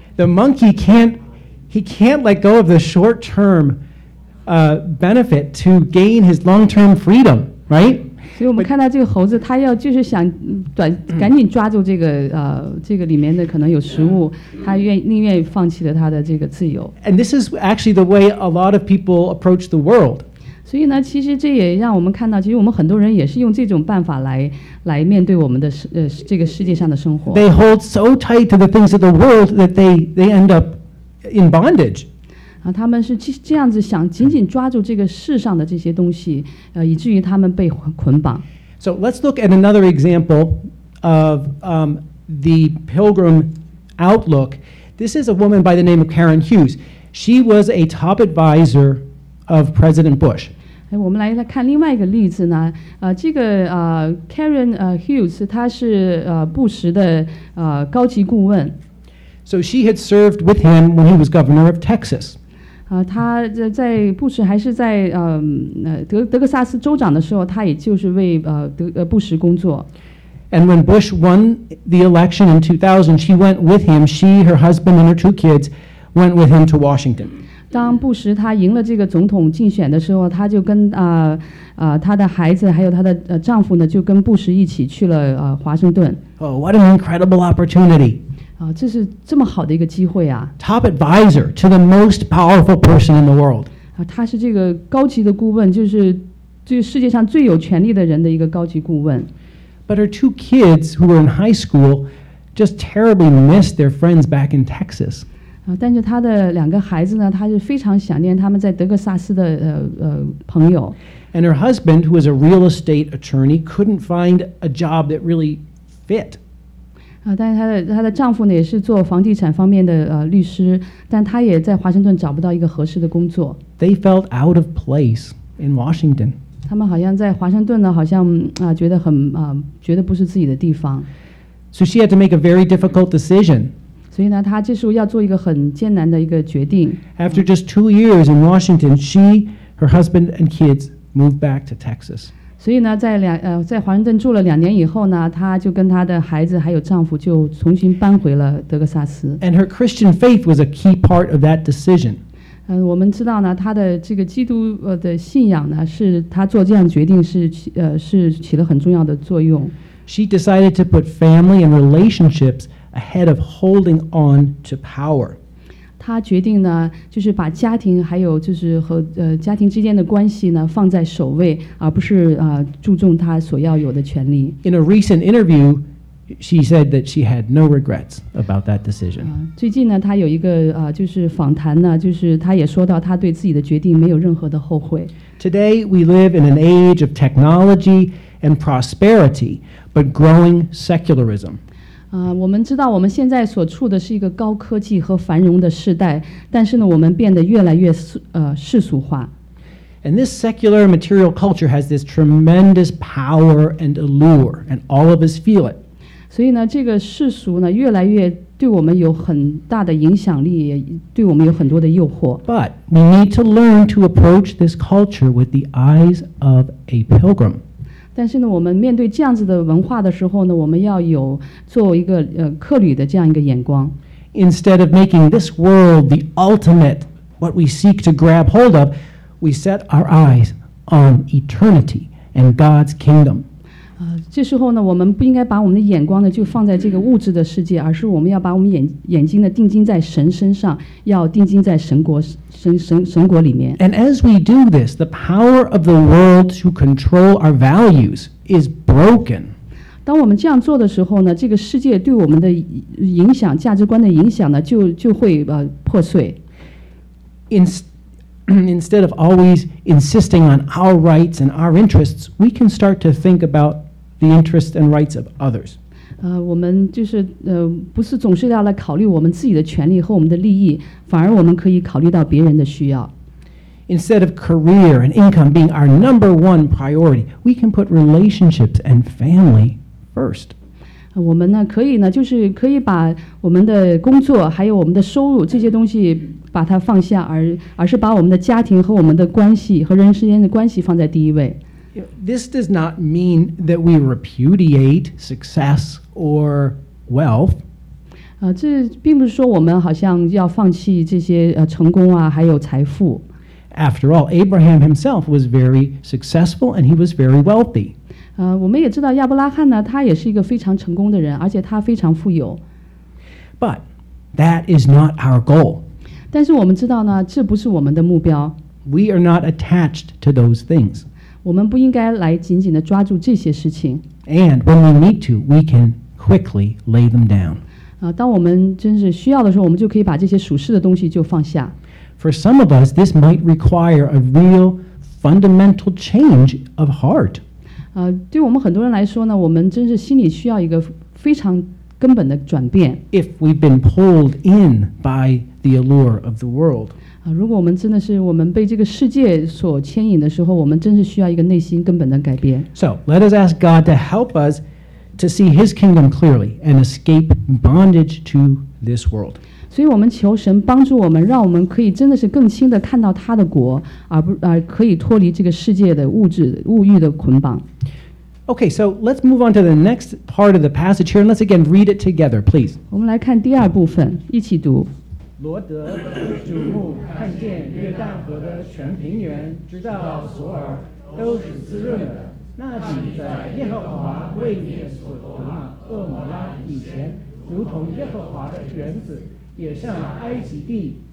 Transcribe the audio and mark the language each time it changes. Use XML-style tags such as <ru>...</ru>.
<en>The monkey can't let go of the short-term benefit to gain his long-term freedom, right?</en> <zh>所以我们看到这个猴子，他要就是想赶紧抓住这个这个里面的可能有食物，他宁愿放弃了他的这个自由。</zh> <en>And this is actually the way a lot of people approach the world.</en> <zh>所以呢，其实这也让我们看到，其实我们很多人也是用这种办法来面对我们的这个世界上的生活。</zh> <en>They hold so tight to the things of the world that they end up in bondage.</en> <zh>他们是这样子想紧紧抓住这个世上的这些东西，以至于他们被捆绑。</zh> <en>So let's look at another example of the pilgrim outlook. This is a woman by the name of Karen Hughes. She was a top advisor of President Bush.</en> <zh>哎，我们来看另外一个例子呢。这个Karen Hughes， 她是布什的高级顾问。</zh> <en>So she had served with him when he was governor of Texas.</en> <zh>她在布什还是在德克萨斯州长的时候，她也就是为布什工作。</zh> <en>And when Bush won the election in 2000, she went with him. She, her husband, and her two kids went with him to Washington.</en> <zh>当布什他赢了这个总统竞选的时候，他就跟他的孩子还有他的丈夫呢，就跟布什一起去了华盛顿。</zh> <en>Oh, what an incredible opportunity!</en> <zh>这是这么好的一个机会啊</zh> <en>！Top advisor to the most powerful person in the world.</en> <zh>他是这个高级的顾问，就是这世界上最有权力的人的一个高级顾问。</zh> <en>But her two kids who were in high school just terribly miss their friends back in Texas.</en> <zh>但是他的两个孩子呢，他是非常想念他们在德克萨斯的朋友。</zh> <en>And her husband, who is a real estate attorney, couldn't find a job that really fit.</en> <zh>但是她的丈夫呢，也是做房地产方面的律师，但他也在华盛顿找不到一个合适的工作。</zh> <en>They felt out of place in Washington.</en> <zh>他们好像在华盛顿呢，好像觉得很觉得不是自己的地方。</zh> <en>So she had to make a very difficult decision.</en> <zh>所以呢，她这时候要做一个很艰难的一个决定。</zh> <en>After just 2 years in Washington, she, her husband, and kids moved back to Texas.</en> <zh>所以呢，在华盛顿住了两年以后呢，她就跟她的孩子还有丈夫就重新搬回了德克萨斯。</zh> <en>And her Christian faith was a key part of that decision.</en> <zh>我们知道呢，她的这个基督的信仰呢，是她做这样决定是起了很重要的作用。</zh> <en>She decided to put family and relationships. Ahead of holding on to power,</en> <zh>他决定呢，就是把家庭还有就是和家庭之间的关系呢放在首位，而不是注重他所要有的权利。</zh> <en>In a recent interview, she said that she had no regrets about that decision.</en> <zh>最近呢，他有一个就是访谈呢，就是他也说到他对自己的决定没有任何的后悔。</zh> <en>Today we live in an age of technology and prosperity, but growing secularism.</en> <zh>我们知道我们现在所处的是一个高科技和繁荣的时代，但是呢，我们变得越来越世俗化。</zh> <en>And this secular material culture has this tremendous power and allure, and all of us feel it.</en> <zh>所以呢，这个世俗呢，越来越对我们有很大的影响力，也对我们有很多的诱惑。</zh> <en>But we need to learn to approach this culture with the eyes of a pilgrim.</en> <zh>但是呢，我们面对这样子的文化的时候呢，我们要有作为一个客旅的这样一个眼光。</zh> <en>Instead of making this world the ultimate, what we seek to grab hold of, we set our eyes on eternity and God's kingdom.</en> <zh>这时候呢，我们不应该把我们的眼光呢就放在这个物质的世界，而是我们要把我们眼睛呢定睛在神身上，要定睛在神国里面。</zh> <en>And as we do this, the power of the world to control our values is broken.</en> <zh>当我们这样做的时候呢，这个世界对我们的影响、价值观的影响呢，就会破碎。</zh> <en>Instead of always insisting on our rights and our interests, we can start to think about the interests and rights of others.</en> <zh>我们就是不是总是要来考虑我们自己的权利和我们的利益，反而我们可以考虑到别人的需要。</zh> <en>Instead of career and income being our number one priority, we can put relationships and family first.</en> <zh>我们呢可以呢就是可以把我们的工作还有我们的收入这些东西把它放下，而是把我们的家庭和我们的关系和人之间的关系放在第一位。</zh> <en>This does not mean that we repudiate success or wealth.</en> <zh>这并不是说我们好像要放弃这些成功啊，还有财富。</zh> <en>After all, Abraham himself was very successful and he was very wealthy.</en> <zh>我们也知道亚伯拉罕呢，他也是一个非常成功的人，而且他非常富有。</zh> <en>But that is not our goal.</en> <zh>但是我们知道呢，这不是我们的目标。</zh> <en>We are not attached to those things.</en> <zh>我们不应该来紧紧地抓住这些事情。</zh> <en>And when we need to, we can quickly lay them down.</en> <zh>当我们真是需要的时候，我们就可以把这些属世的东西就放下。</zh> <en>For some of us, this might require a real fundamental change of heart.</en> <zh>对我们很多人来说呢，我们真是心里需要一个非常根本的转变。</zh> <en>If we've been pulled in by the allure of the world,</en> <zh>如果我们真的是我们被这个世界所牵引的时候，我们真是需要一个内心根本的改变。</zh> <en>So let us ask God to help us to see His kingdom clearly and escape bondage to this world.</en> <zh>所以我们求神帮助我们，让我们可以真的是更清地看到他的国，而可以脱离这个世界的物欲的捆绑。</zh> <en>Okay, so let's move on to the next part of the passage here, and let's again read it together, please.</en> <zh>我们来看第二部分，一起读。罗德举目看见约旦河的全平原，直到索尔，都是滋润的。那地在耶和华为你所夺的厄摩拉以前，如同耶和华的园子，也像埃及地。</zh>